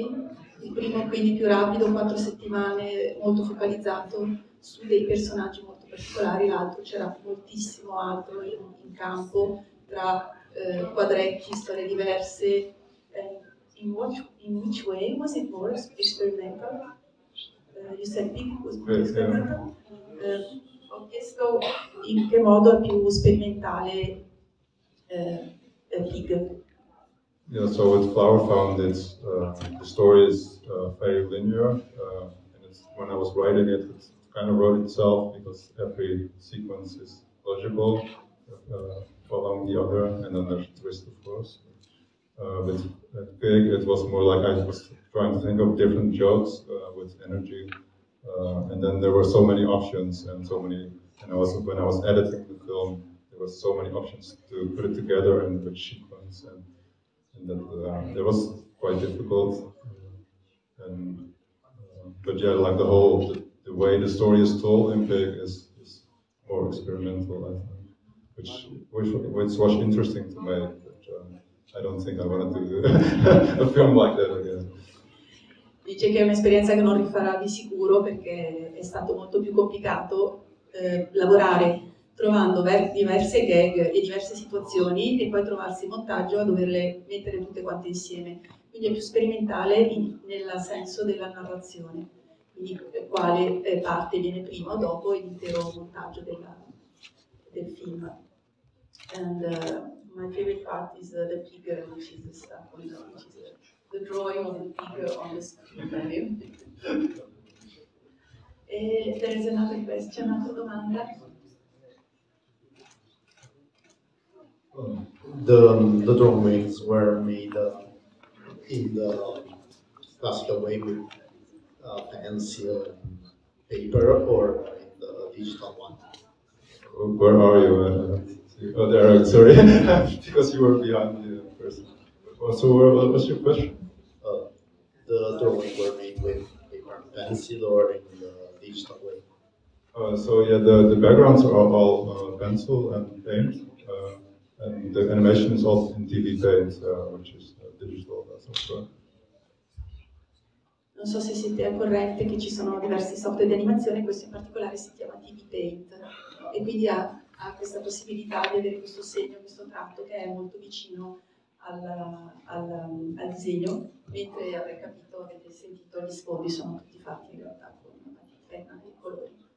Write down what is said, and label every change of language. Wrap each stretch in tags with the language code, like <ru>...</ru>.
<it>Il primo quindi più rapido, 4 settimane, molto focalizzato su dei personaggi molto particolari, l'altro c'era moltissimo altro in campo tra quadretti, storie diverse.</it> <en>In which way was it more experimental? You said big was more experimental.</en> <it>Ho chiesto in che modo è più sperimentale big.</it> <en>Yeah, so with Flower Found, it's the story is very linear, and it's, when I was writing it, it kind of wrote itself because every sequence is logical along the other, and then there's a twist, of course. But at Big, it was more like I was trying to think of different jokes with energy, and then there were so many options and so many. And I was when I was editing the film, there were so many options to put it together in which sequence and. And then it was quite difficult, and but yeah, like the way the story is told in Big is more experimental, I think, which was interesting to make, but I don't think I wanted to do a film like that again.</en> <it>Dice che è un'esperienza che non rifarà di sicuro perché è stato molto più complicato lavorare trovando diverse gag e diverse situazioni e poi trovarsi in montaggio a doverle mettere tutte quante insieme. Quindi è più sperimentale nel senso della narrazione, quindi quale parte viene prima o dopo l'intero montaggio del film.</it> <en>And my favorite part is the pig, which is the stuff on the, which is the drawing of the pig on the screen. There is another question,</en> <it>un'altra domanda.</it> <en>The drawings were made in the classical way with pencil and paper or in the digital one? Where are you? Oh, there, sorry, because you were behind the person. So what was your question? The drawings were made with paper and pencil or in the digital way? So yeah, the backgrounds are all pencil and paint. And the animation is also in TV paint, which is digital.</en> <it>Non so se siete a corrente che ci sono diversi software di animazione, questo in particolare si chiama TV paint e quindi ha questa possibilità di avere questo segno, questo tratto che è molto vicino al disegno, mentre avrei capito, avete sentito gli sfondi sono tutti fatti in realtà con la penna e i colori.</it>